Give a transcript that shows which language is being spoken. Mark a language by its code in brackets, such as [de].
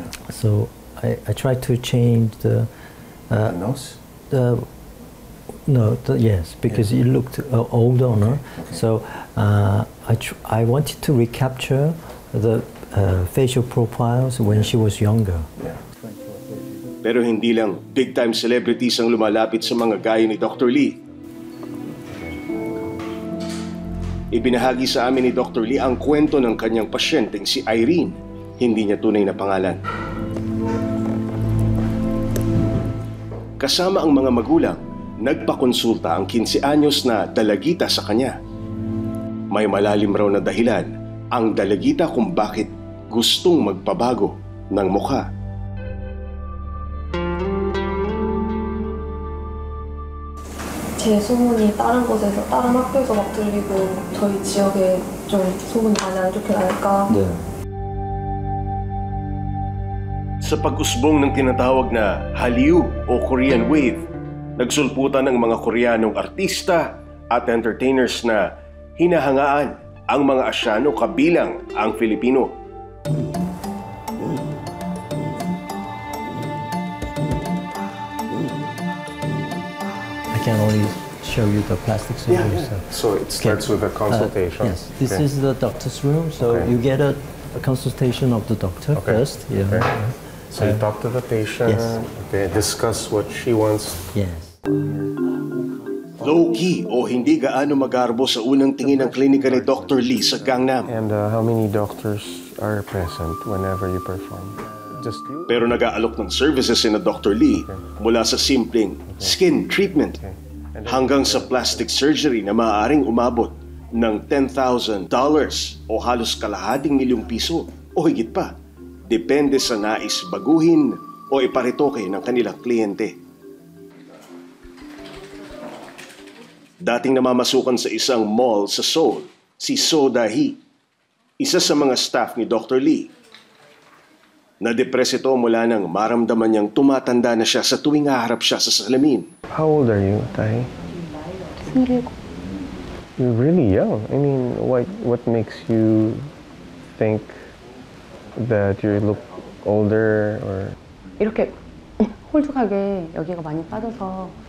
[en] So I tried to change the... Because it looked old on her. So I wanted to recapture the facial profiles when she was younger. Yeah. [tl] Pero hindi lang big-time celebrities ang lumalapit sa mga gaya ni Dr. Lee. Ibinahagi sa amin ni Dr. Lee ang kwento ng kanyang pasyenteng si Irene. Hindi niya tunay na pangalan. Kasama ang mga magulang, nagpakonsulta ang 15 anyos na dalagita sa kanya. May malalim raw na dahilan ang dalagita kung bakit gustong magpabago ng mukha. [ko] 제 소문이 다른 곳에서 다른 학교에서 막 들리고 저희 지역에 좀 소문이 많이 안 좋게 날까? 네. [tl] 사 pag-usbong ng tinatawag na Hallyu o Korean Wave, nagsulputan ng mga Koreanong artista at entertainers na hinahangaan ang mga Asyano kabilang ang Filipino. [en] I can only show you the plastic surgery. Yeah, yeah. So it starts with a consultation. Yes, this is the doctor's room. So you get a consultation of the doctor first. Yeah. Okay. So you talk to the patient. Yes. Okay. Discuss what she wants. Yes. [tl] Low key o hindi gaano magarbo sa unang tingin ng klinika ni Dr. Lee sa Gangnam. [en] And how many doctors are present whenever you perform? Just you? [tl] Pero nag-aalok ng services ina Dr. Lee mula sa simpleng skin treatment hanggang sa plastic surgery na maaaring umabot ng $10,000 o halos kalahating milyong piso o higit pa. Depende sa nais baguhin o iparitoke ng kanilang kliyente. Dating namamasukan sa isang mall sa Seoul, si So Dahi, isa sa mga staff ni Dr. Lee. Na-depress ito mula nang maramdaman niyang tumatanda na siya sa tuwing haharap siya sa salamin. [en] How old are you, Tay? 25. You're really young. I mean, what makes you think that you look older or... [ko] 이렇게 홀쭉하게 여기가 많이 빠져서